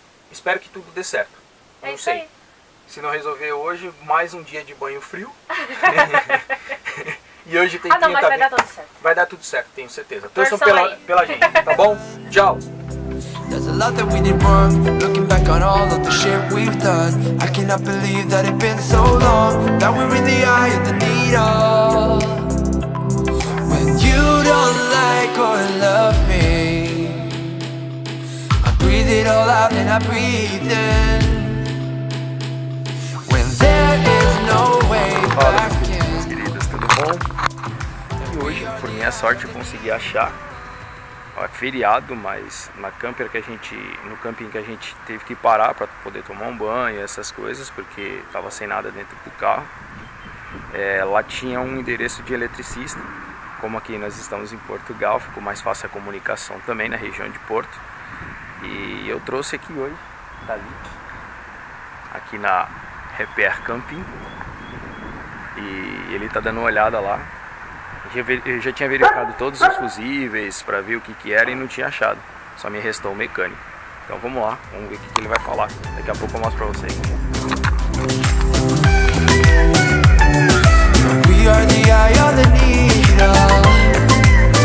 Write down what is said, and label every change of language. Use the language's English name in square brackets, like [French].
[Portuguese] Espero que tudo dê certo. É isso aí. Se não resolver hoje, mais um dia de banho frio. E hoje tem 30 mas vai dar tudo certo. Vai dar tudo certo, tenho certeza. Torçam pela gente, tá bom? Tchau. [English] There's a lot that we did wrong. Looking back on all of the shit we've done, I cannot believe that it's been so long that we're in the eye of the needle. When you don't like or love me, I breathe it all out and I breathe in. When there is no way back in. [Portuguese] Olá, queridos, tudo bom? E hoje, por minha sorte, consegui achar. É feriado, mas no camping que a gente teve que parar para poder tomar um banho, essas coisas, porque tava sem nada dentro do carro. Lá tinha um endereço de eletricista, como aqui nós estamos em Portugal, ficou mais fácil a comunicação também na região de Porto. E eu trouxe aqui hoje, aqui na Repair Camping, e ele tá dando uma olhada lá. Eu já tinha verificado todos os fusíveis para ver o que que era e não tinha achado. Só me restou o mecânico. Então vamos lá, vamos ver o que que ele vai falar. Daqui a pouco eu mostro para vocês. [English] We are the eye of the needle.